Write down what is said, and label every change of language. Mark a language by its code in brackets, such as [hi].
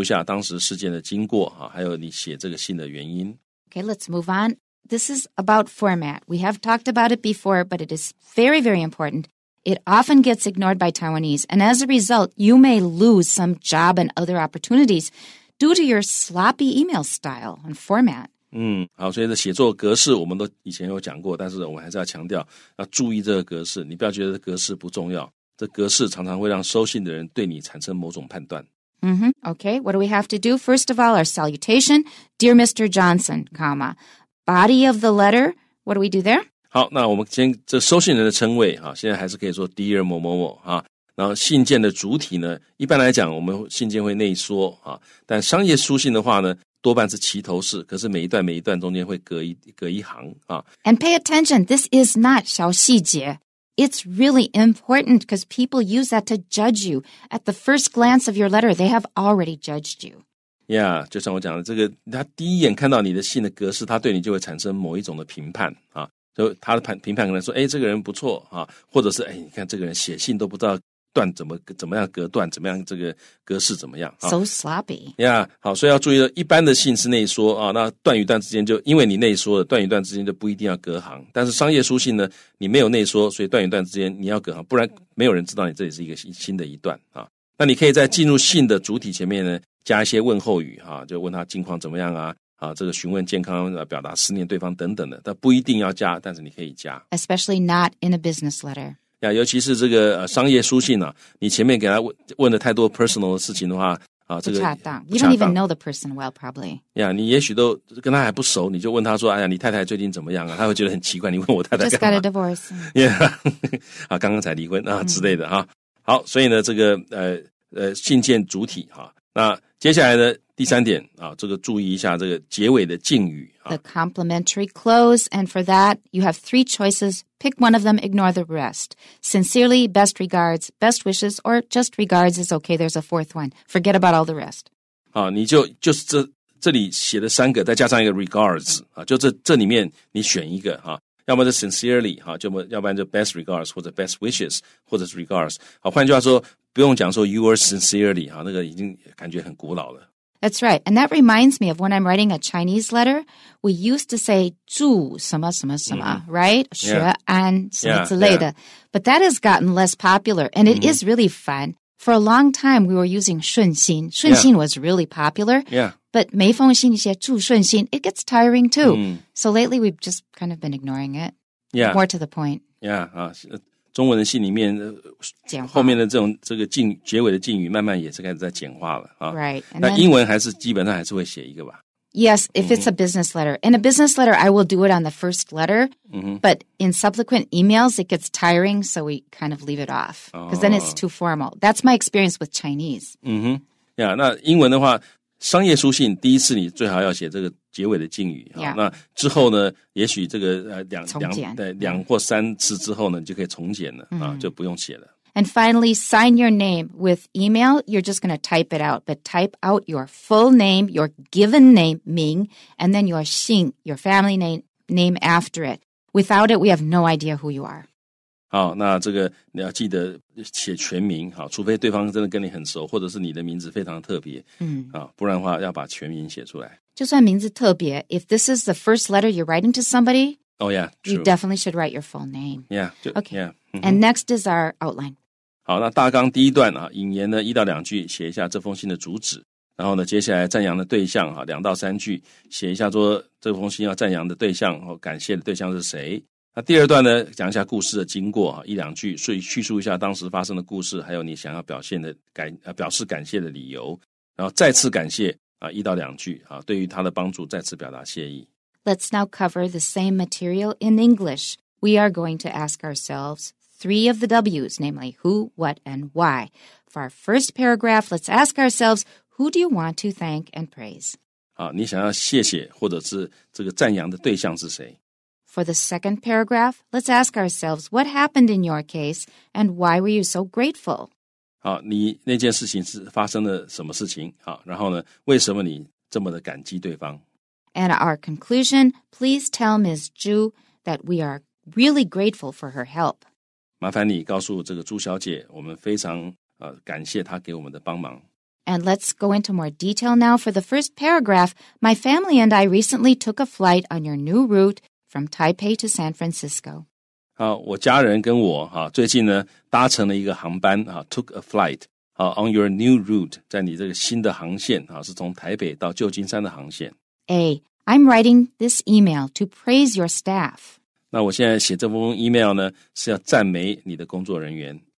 [zh] 所以现在呢，请你以顾客的身份写一封文长至少150个单词的赞扬信啊。第一段说明要赞扬的对象，第二段呢叙述一下当时事件的经过啊，还有你写这个信的原因。 [en] Okay, let's move on. This is about format. We have talked about it before, but it is very, very important. It often gets ignored by Taiwanese, and as a result, you may lose some job and other opportunities due to your sloppy email style and format. [zh] 好，所以这写作格式我们都以前有讲过，但是我们还是要强调，要注意这个格式，你不要觉得格式不重要，这格式常常会让收信的人对你产生某种判断。 Mm-hmm. [en] Okay, what do we have to do? First of all, our salutation, Dear Mr. Johnson, comma, body of the letter, what do we do there? [zh] 好，那我们先这收信人的称谓，现在还是可以说 Dear 某某某，然后信件的主体呢，一般来讲我们信件会内缩啊，但商业书信的话呢，多半是齐头式，可是每一段每一段中间会隔一行啊。 [en] And pay attention, this is not [zh] 小细节。 [en] It's really important because people use that to judge you. At the first glance of your letter, they have already judged you. [zh] Yeah, 就像我讲的，这个他第一眼看到你的信的格式，他对你就会产生某一种的评判啊。就他的评判可能说，哎，这个人不错啊，或者是哎，你看这个人写信都不知道段怎么样隔段，怎么样这个格式怎么样、啊、 [en] ？So sloppy. [zh] Yeah, 好，所以要注意了，一般的信是内缩啊，那段与段之间就因为你内缩了，段与段之间就不一定要隔行。但是商业书信呢，你没有内缩，所以段与段之间你要隔行，不然没有人知道你这里是一个新的一段啊。那你可以在进入信的主体前面呢，加一些问候语啊，就问他近况怎么样啊。啊，这个询问健康，表达思念对方等等的，但不一定要加，但是你可以加。 [en] Especially not in a business letter. [zh] 呀，尤其是这个商业书信啊，你前面给他问的太多 personal 的事情的话，啊，这个不恰当。 [en] You don't even know the person well, probably. [zh] 呀，你也许都跟他还不熟，你就问他说：“哎呀，你太太最近怎么样啊？” 他会觉得很奇怪，你问我太太干嘛 [en] ？Just got a divorce. [zh] 呀、yeah, 啊，刚刚才离婚啊、mm-hmm. 之类的啊。好，所以呢，这个信件主体哈、啊，那接下来呢？第三点啊，这个注意一下这个结尾的敬语、啊、 [en] The complimentary close, and for that, you have three choices. Pick one of them, ignore the rest. Sincerely, best regards, best wishes, or just regards is okay. There's a fourth one. Forget about all the rest. [zh] 啊，你就是这里写的三个，再加上一个 regards 啊，就这里面你选一个啊，要么是 sincerely 啊，要不然就 best regards 或者 best wishes 或者是 regards。好，换句话说，不用讲说 yours sincerely 啊，那个已经感觉很古老了。 [en] That's right. And that reminds me of when I'm writing a Chinese letter, we used to say [zh] 祝什么什么什么 [en] mm-hmm. [zh] right? 学安什么之类的。 [en] But that has gotten less popular, and it mm-hmm. is really fun. For a long time, we were using 顺心。顺心 was really popular. Yeah. But [zh] 每逢星期一祝顺心 [en] it gets tiring too. Mm-hmm. So lately, we've just kind of been ignoring it. Yeah. More to the point. Yeah. [zh] 中文的信里面后面的这种这个敬结尾的敬语慢慢也是开始在简化了、啊、 [en] Right. And then, [zh] 那英文还是基本上还是会写一个吧 [en] Yes, if it's a business letter. In a business letter, I will do it on the first letter,、 mm-hmm. but in subsequent emails, it gets tiring, so we kind of leave it off. Because、 oh. then it's too formal. That's my experience with Chinese.、 Mm-hmm. [zh] Yeah, 那英文的话商业书信第一次你最好要写这个结尾的敬语、 [en] yeah. [zh] 那之后呢也许这个两或三次之后呢你就可以重简了、mm-hmm. 啊、就不用写了 [en] And finally sign your name with email You're just going to type it out But type out your full name Your given name 名 And then your 姓 Your family name after it Without it we have no idea who you are [zh] 好那这个你要记得写全名好除非对方真的跟你很熟或者是你的名字非常特别、 mm-hmm. 啊、不然的话要把全名写出来就算名字特别 [en] if this is the first letter you're writing to somebody, oh yeah,、true. You definitely should write your full name. Yeah, okay. Yeah,、 mm-hmm. And next is our outline. [zh] 好，那大纲第一段啊，引言呢一到两句，写一下这封信的主旨。然后呢，接下来赞扬的对象啊，两到三句，写一下说这封信要赞扬的对象或感谢的对象是谁。那第二段呢，讲一下故事的经过啊，一两句，所以叙述一下当时发生的故事，还有你想要表示感谢的理由。然后再次感谢。啊、一到两句、啊、对于他的帮助再次表达谢意。 [en] Let's now cover the same material in English. We are going to ask ourselves three of the W's, namely who, what, and why. For our first paragraph, let's ask ourselves, who do you want to thank and praise?、 [zh] 啊、你想要谢谢或者是这个赞扬的对象是谁 [en] ?For the second paragraph, let's ask ourselves, what happened in your case and why were you so grateful? [zh] 好你那件事情是发生了什么事情好然后呢为什么你这么的感激对方 [en] And our conclusion, please tell Ms. Zhu that we are really grateful for her help. [zh] 麻烦你告诉这个朱小姐我们非常、感谢她给我们的帮忙。 [en] And let's go into more detail now for the first paragraph. My family and I recently took a flight on your new route from Taipei to San Francisco. [zh] 好我家人跟我、啊、最近呢搭乘了一个航班、啊、 [en] took a flight、 [zh] 啊、 [en] on your new route [zh] 在你这个新的航线、啊、是从台北到旧金山的航线 A. [en] I'm writing this email to praise your staff [zh] 那我现在写这封 email 呢是要赞美你的工作人员